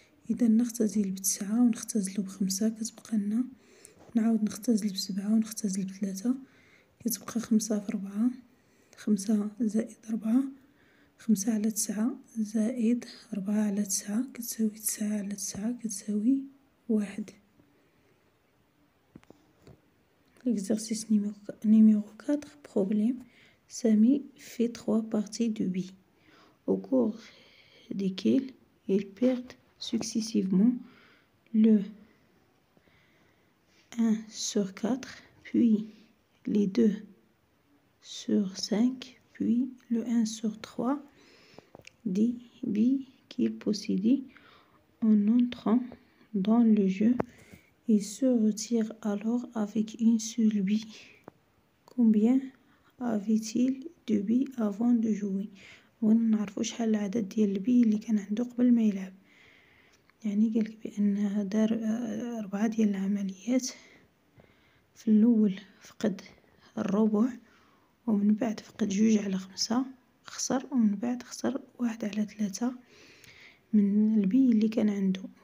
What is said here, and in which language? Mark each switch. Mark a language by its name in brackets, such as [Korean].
[Arabic] إذا نختزل بتسعة ونختزل بخمسة كتبقى لنا، نعود نختزل بسبعة ونختزل بثلاثة كتبقى خمسة في أربعة، خمسة زائد أربعة، خمسة على تسعة زائد أربعة على تسعة كتساوي تسعة على تسعة كتساوي 1. [French] الإكزرسيس نيميرو 4، بروبليم سامي في 3 بارتي دو بي au cours desquels ils perdent successivement le 1 sur 4, puis les 2 sur 5, puis le 1 sur 3 des billes qu'ils possédaient en entrant dans le jeu. Ils se retirent alors avec une seule bille. Combien avaient-ils de billes avant de jouer? [Arabic] ونعرفوا شحال العدد ديال البي اللي كان عنده قبل ما يلعب. يعني قالك بان دار 4 ديال العمليات، في الاول فقد الربع، ومن بعد فقد 2 على 5 خسر، ومن بعد خسر 1 على 3 من البي اللي كان عنده.